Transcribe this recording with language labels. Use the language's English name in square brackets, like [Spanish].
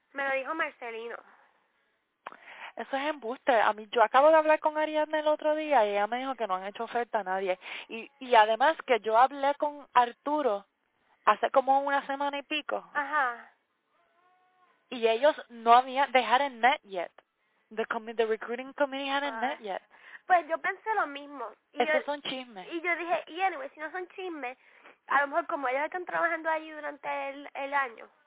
[Spanish] Me lo dijo Marcelino. Eso es embuste. A mí, yo acabo de hablar con Ariadne el otro día y ella me dijo que no han hecho oferta a nadie. Y además que yo hablé con Arturo hace como una semana y pico. Ajá. Y ellos no habían, [English] they hadn't met yet. The recruiting committee hadn't met yet. [Spanish] Pues yo pensé lo mismo. Esos son chismes. Y yo dije, y anyway, si no son chismes, a lo mejor como ellos están trabajando allí durante el año,